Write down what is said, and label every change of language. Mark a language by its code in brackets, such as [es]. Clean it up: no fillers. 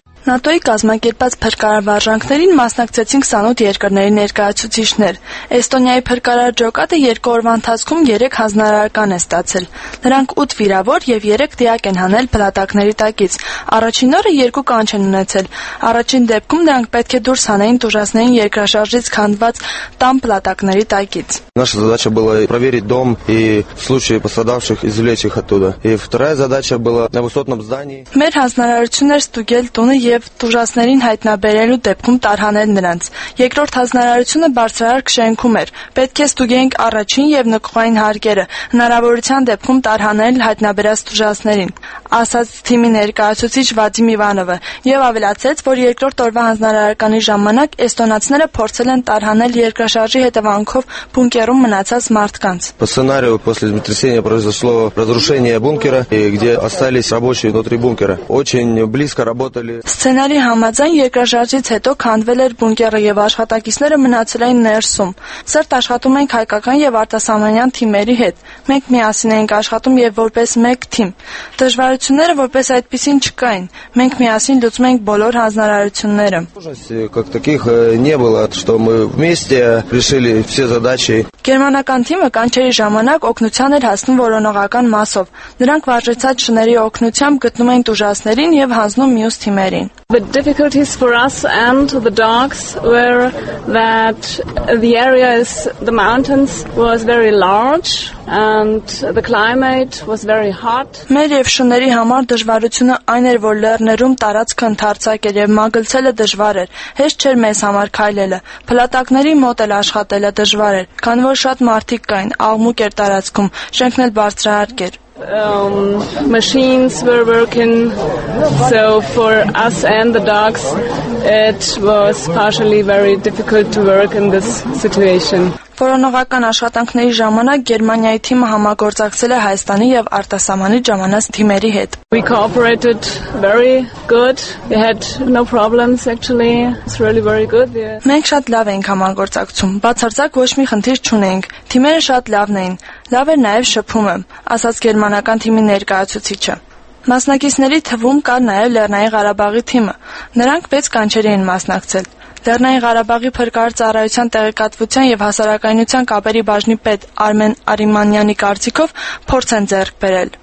[hy] ՆԱՏՕ-ի կազմակերպած փրկարարվարժանքներին մասնակցեցին 28 երկրների ներկայացուցիչներ։ Էստոնիայի փրկարար ջոկատը 2 օրվա ընթացքում 3 հանձնարարական է ստացել։ Նրանք 8 վիրավոր և 3 դիակ են հանել փլատակների տակից։ Առաջին օրը 2 կանչ են ունեցել։ Առաջին դեպքում նրանք պետք է դուրս հանեին տուժածներին երկրաշարժից քանդված տան փլատակների տակից։ [ru] Наша задача была проверить дом и в случае пострадавших извлечь их оттуда. И вторая задача была на высотном здании. [hy] Մեր հանձնարարություններ ստուգել տունը եւ տուժածներին հայտնաբերելու դեպքում տարհանել նրանց։ Երկրորդ հանձնարարությունը բարձրարարք շենքում էր։ Պետք է ստուգենք առաջին եւ նկուղային հարկերը, հնարավորության դեպքում տարհանել հայտնաբերած տուժածներին, ասաց թիմի ներկայացուցիչ Վադիմ Իվանովը, եւ ավելացեց, որ երկրորդ օրվա հանձնարարականի ժամանակ էստոնացիները փորձել են տարհանել երկրաշարժի հետևանքով [ru] бункером [hy] մնացած մարդկանց. [ru] По сценарию после землетрясения произошло разрушение бункера, где остались рабочие внутри бункера. Очень близко работали. Сценарий [hy] համաձայն երկրաշարժից հետո քանդվել էր բունկերը եւ աշխատակիցները մնացել էին ներսում։ Սերտ աշխատում ենք հայկական եւ արտասահմանյան թիմերի հետ։ Մենք միասին ենք աշխատում եւ որպես մեկ թիմ։ Դժվարությունները որպես այդպեսին չկային։ Մենք միասին լուծում ենք բոլոր հանձնարարությունները։ [ru] Как таких не было, что мы вместе решили все задачи. [hy] Գերմանական թիմը կանչերի ժամանակ օգնության էր հասնում որոնողական մասով։ Նրանք վարժեցած շների օգնությամբ գտնում էին տուժածներին եւ հանձնում մյուս թիմերին։ [en] The difficulties for us and the dogs were that the area is the mountains was very large and the climate was very hot. [hy] Մեր եւ շների համար դժվարությունը այն էր, որ լեռներում տարածքը ընդարձակ էր եւ մագլցելը դժվար էր։ Հեշտ չէր մեզ համար քայլելը։ Փլատակների մոտ էլ աշխատելը դժվար էր, քանի որ շատ մարդիկ կային, աղմուկ էր տարածքում, շենքն էլ բարձրահարկ էր։ [en] Machines were working, so for us and the dogs, it was partially very difficult to work in this situation. [hy] Կորոնավական աշխատանքների ժամանակ Գերմանիայի թիմը համագործակցել է Հայաստանի եւ արտասահմանի ժամանած թիմերի հետ։ [en] We cooperated very good. We had no problems actually. It's really very good. Yeah. [hy] Մենք շատ լավ ենք համագործակցում։ Բացարձակ ոչ մի խնդիր չունենք։ Թիմերը շատ լավն էին։ Լավ էր նաեւ շփումը, ասաց գերմանական թիմի ներկայացուցիչը։ Մասնակիցների թվում կա նաեւ Լեռնային Ղարաբաղի թիմը։ Նրանք 6 կանչերի են մասնակցել։ Լեռնային Ղարաբաղի փրկարար ծառայության տեղեկատվության եւ հասարակայնության կապերի բաժնի պետ Արմեն Արիմանյանի կարծիքով փորձ են ձեռք բերել։